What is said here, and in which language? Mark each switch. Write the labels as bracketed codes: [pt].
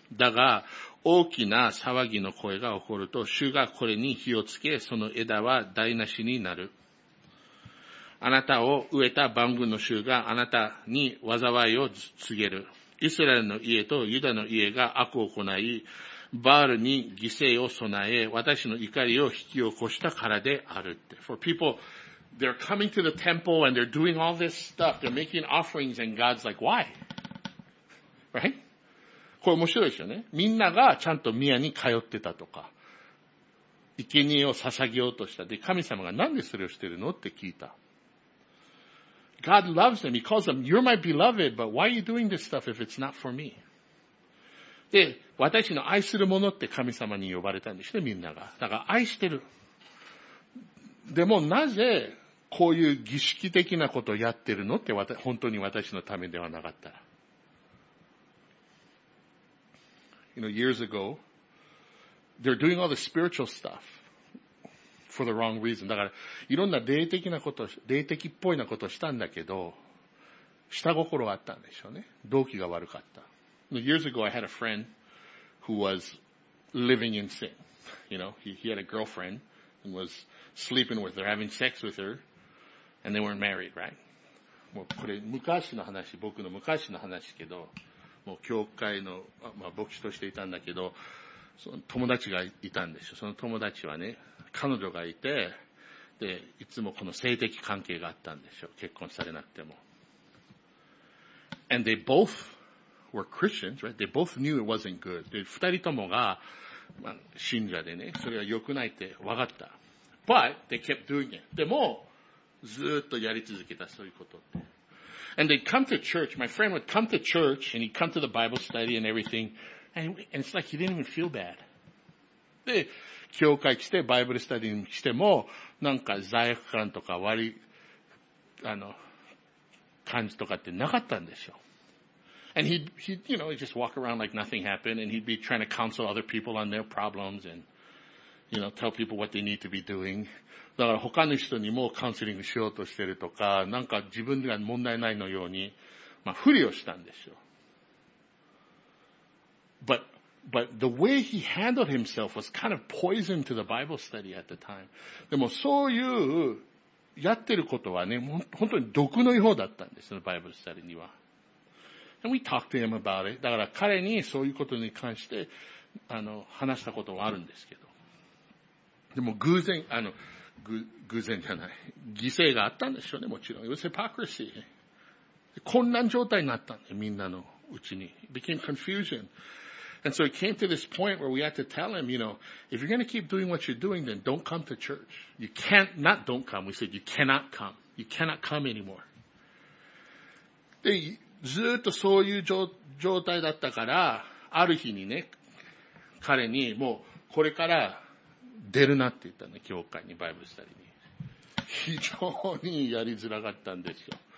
[ja] だが大きな騒ぎの声が起こると主がこれに火をつけ、その枝は台無しになる。あなたを植えた万軍の主があなたに災いを告げる。イスラエルの家とユダの家が悪を行い、バールに犠牲を備え、私の怒りを引き起こしたからであるって。 [en] For people, they're coming to the temple and they're doing all this stuff. They're making offerings and God's like, why? Right? [ja] これ面白いですよね。みんながちゃんと宮に通ってたとか、生贄を捧げようとした。で、神様がなんでそれをしてるのって聞いた。 [en] God loves them. He calls them, you're my beloved, but why are you doing this stuff if it's not for me? [ja] で、私の愛するものって神様に呼ばれたんですね、みんなが。だから愛してる。でもなぜこういう儀式的なことをやってるのって、本当に私のためではなかったら。 [en] You know, years ago, they're doing all the spiritual stuff. For the wrong reason. [ja] だから、いろんな霊的なこと、霊的っぽいなことをしたんだけど、下心があったんでしょうね。動機が悪かった。 [en] Years ago, I had a friend who was living in sin. You know, he had a girlfriend and was sleeping with her, having sex with her, and they weren't married, right? [ja] もうこれ、昔の話、僕の昔の話けど、もう教会の、まあ、牧師としていたんだけど、その友達がいたんでしょ。その友達はね、彼女がいて、で、いつもこの性的関係があったんでしょ。結婚されなくても。 [en] And they both were Christians, right? They both knew it wasn't good. [ja] で、二人ともが、まあ、信者でね、それは良くないって分かった。 [en] But they kept doing it. [ja] でも、ずっとやり続けた、そういうことって。 [en] And they'd come to church. My friend would come to church and he'd come to the Bible study and everything. And it's like he didn't even feel bad. [ja] で、教会来て、バイブルスタディに来ても、なんか罪悪感とか悪い、感じとかってなかったんでしょ。 [en] And he'd just walk around like nothing happened, and he'd be trying to counsel other people on their problems, and, you know, tell people what they need to be doing. [ja] だから他の人にもカウンセリングしようとしてるとか、なんか自分が問題ないのように、まあ、不利をしたんでしょ。 [en] But the way he handled himself was kind of poison to the Bible study at the time. [ja] でもそういうやってることはね、本当に毒のようだったんですよ、Bible study には。 [en] And we talked to him about it. [ja] だから彼にそういうことに関して、話したことはあるんですけど。でも偶然、偶然じゃない。犠牲があったんでしょうね、もちろん。 [en] It was hypocrisy. [ja] 混乱状態になったんで、みんなのうちに。 [en] It became confusion. And so it came to this point where we had to tell him, you know, if you're going to keep doing what you're doing, then don't come to church. You can't, not don't come. We said, you cannot come. You cannot come anymore. [ja] で、ずっとそういう状態だったから、ある日にね、彼にもうこれから出るなって言ったの、教会に、バイブルスタディに。非常にやりづらかったんですよ。